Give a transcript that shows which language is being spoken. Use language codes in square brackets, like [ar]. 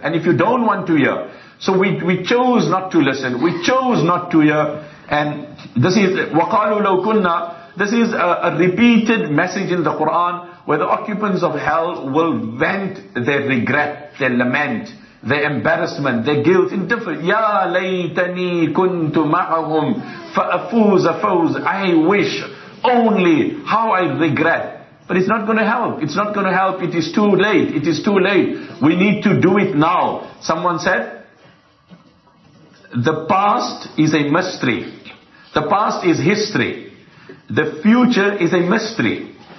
[en] And if you don't want to hear, so we chose not to listen. We chose not to hear. And this is [ar] وَقَالُوا لَوْ كُنَّا. [en] This is a repeated message in the Quran where the occupants of hell will vent their regret, their lament, their embarrassment, their guilt. In different, [ar] يَا لَيْتَنِي كُنْتُ مَعَهُمْ فَأَفُوزَ فَوْزَ. [en] I wish only, how I regret. But it's not going to help. It's not going to help. It is too late. It is too late. We need to do it now. Someone said, the past is a mystery. The past is history. The future is a mystery.